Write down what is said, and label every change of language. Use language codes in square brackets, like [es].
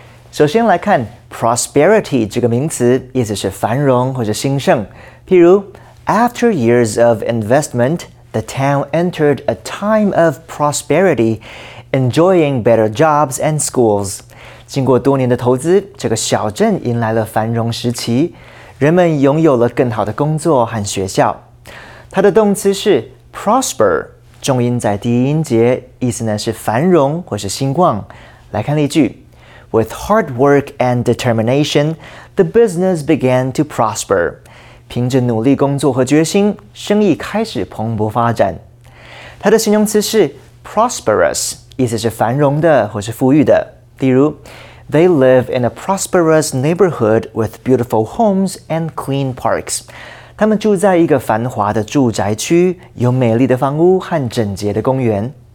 [zh] 首先来看 prosperity 这个名词，意思是繁荣或者兴盛。譬如 [en] ，After years of investment, the town entered a time of prosperity, enjoying better jobs and schools. [zh] 经过多年的投资，这个小镇迎来了繁荣时期，人们拥有了更好的工作和学校。它的动词是 prosper。重音在第一音节，意思呢是繁荣或是兴旺。来看例句 [en] ：With hard work and determination, the business began to prosper. [zh] 凭着努力工作和决心，生意开始蓬勃发展。它的形容词是 prosperous， 意思是繁荣的或是富裕的。例如 [en] ，They live in a prosperous neighborhood with beautiful homes and clean parks. [zh] 他们住在一个繁华的住宅区，有美丽的房屋和整洁的公园。